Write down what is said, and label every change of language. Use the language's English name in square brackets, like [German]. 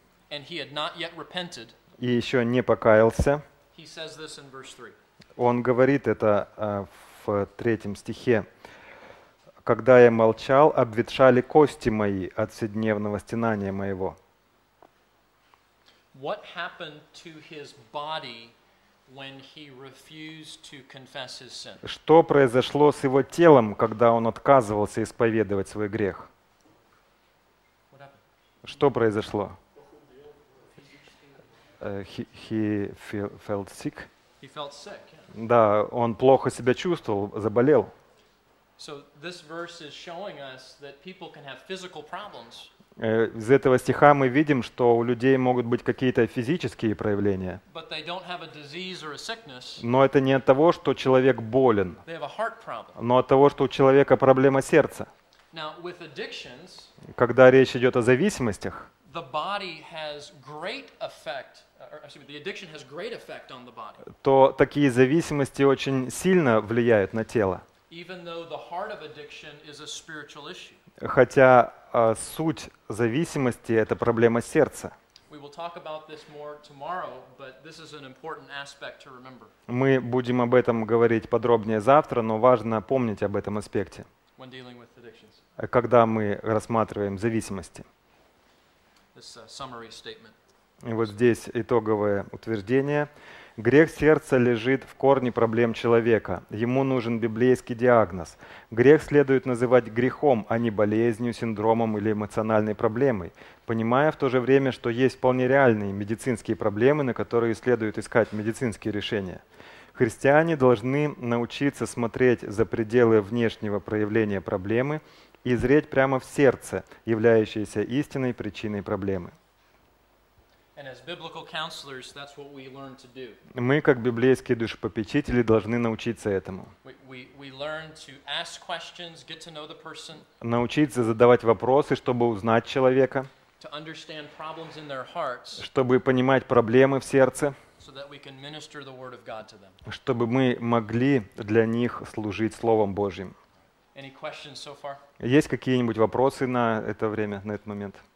[English] and he had not yet repented, [Russian] и еще не покаялся, [English] he says this in verse 3. [Russian] Он говорит это в третьем стихе. «Когда я молчал, обветшали кости мои от вседневного стенания моего». [English] What happened to his body when he refused to confess his sin? [Russian] Что произошло с его телом, когда он отказывался исповедовать свой грех? Что произошло? [English] He felt sick. He felt sick, yeah. [Russian] Да, он плохо себя чувствовал, заболел. [English] So this verse is showing us that people can have physical problems. [Russian] Из этого стиха мы видим, что у людей могут быть какие-то физические проявления. [English] But they don't have a disease or a sickness. [Russian] Но это не от того, что человек болен. [English] They have a heart problem. [Russian] Но от того, что у человека проблема сердца. [English] Now, with addictions, [Russian] когда речь идет о зависимостях, [English] the body has great effect. The addiction has great effect on the body. [Russian] То такие зависимости очень сильно влияют на тело. [English] Even though the heart of addiction is a spiritual issue. [Russian] Хотя суть зависимости – это проблема сердца. [English] We will talk about this more tomorrow, but this is an important aspect to remember. [Russian] Мы будем об этом говорить подробнее завтра, но важно помнить об этом аспекте. [English] When dealing with addictions. [Russian] Когда мы рассматриваем зависимости. [English] This is a summary statement. [Russian] И вот здесь итоговое утверждение. Грех сердца лежит в корне проблем человека. Ему нужен библейский диагноз. Грех следует называть грехом, а не болезнью, синдромом или эмоциональной проблемой, понимая в то же время, что есть вполне реальные медицинские проблемы, на которые следует искать медицинские решения. Христиане должны научиться смотреть за пределы внешнего проявления проблемы и зреть прямо в сердце, являющееся истинной причиной проблемы. [English] And as biblical counselors, that's what we learn to do. [Russian] Мы, как библейские душепопечители, должны научиться этому. [English] We learn to ask questions, get to know the person. [Russian] Научиться задавать вопросы, чтобы узнать человека. [English] To understand problems in their hearts. [Russian] Чтобы понимать проблемы в сердце. [English] So that we can minister the word of God to them. [Russian] Чтобы мы могли для них служить Словом Божьим. [English] Any questions so far? [Russian] Есть какие-нибудь вопросы на это время, на этот момент?